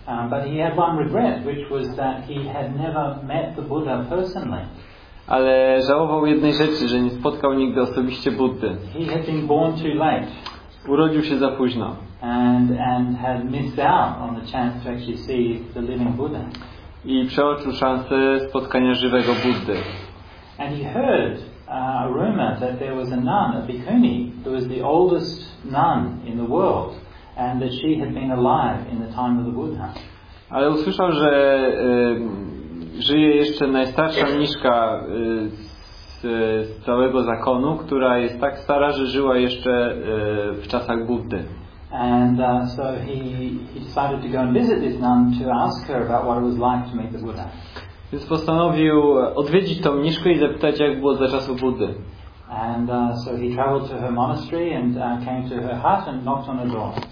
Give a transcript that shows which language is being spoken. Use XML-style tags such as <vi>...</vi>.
<en>But he had one regret, which was that he had never met the Buddha personally.</en> <pl>Ale żałował jednej rzeczy, że nie spotkał nigdy osobiście Buddy.</pl> <en>He had been born too late.</en> <pl>Urodził się za późno.</pl> <en>And had missed out on the chance to actually see the living Buddha.</en> <pl>I przeoczył szansę spotkania żywego Buddy.</pl> <en>And he heard rumor that there was a nun, a bhikkhuni, who was the oldest nun in the world, and that she had been alive in the time of the Buddha.</en> <pl>Ale usłyszał, że żyje jeszcze najstarsza mniszka z całego zakonu, która jest tak stara, że żyła jeszcze w czasach Buddy.</pl> <en>And so he decided to go and visit this nun to ask her about what it was like to meet the Buddha.</en> <pl>Więc postanowił odwiedzić tą mniszkę i zapytać, jak było za czasów Buddy.</pl> <en>And so he traveled to her monastery and came to her hut and knocked on her door.</en>